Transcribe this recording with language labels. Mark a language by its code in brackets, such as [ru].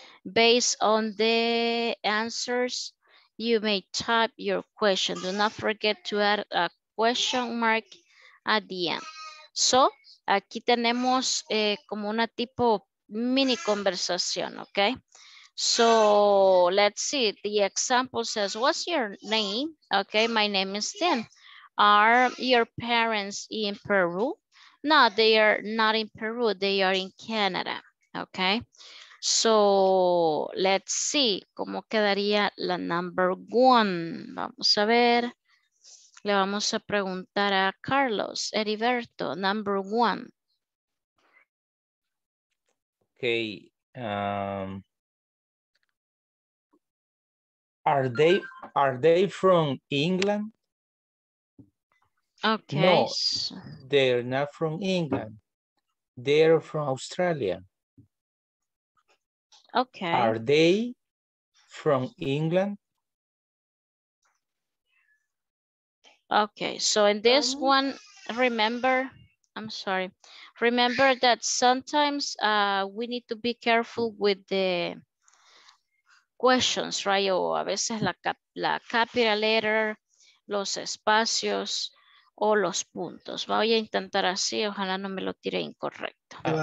[en] Based on the answers, you may type your question. Do not forget to add a question mark at the end. [es] So, aquí tenemos como una tipo mini conversación, okay? [en] So let's see, the example says, what's your name? Okay, my name is Tim. Are your parents in Peru? No, they are not in Peru, they are in Canada, okay? So let's see, [es] ¿cómo quedaría la [en] number one? [es] Vamos a ver, le vamos a preguntar a Carlos, Heriberto, number one. [en] Okay. Are they from England? Okay. No, they're not from England. They're from Australia. Okay. Are they from England? Okay, so in this one, remember, I'm sorry. Remember that sometimes we need to be careful with the questions, right? [es] O a veces la capital letter, los espacios o los puntos. Voy a intentar así, ojalá no me lo tire incorrecto.